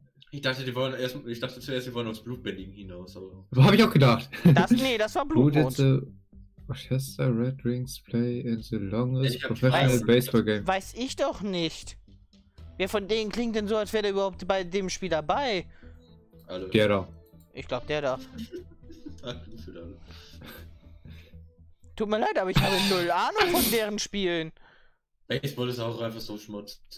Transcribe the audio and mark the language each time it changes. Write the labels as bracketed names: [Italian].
[German] Ich dachte zuerst, die wollen aufs Blutbändigen hinaus, aber. Das hab ich auch gedacht. Das war Blutmond. [English] Rochester Red Wings play in the longest professional baseball game. [German] Weiß ich doch nicht. Wer von denen klingt denn so, als wäre der überhaupt bei dem Spiel dabei? Hallo. Der da. Ich glaube, der da. Tut mir leid, aber ich habe null Ahnung von deren Spielen. Baseball ist auch einfach so Schmutz.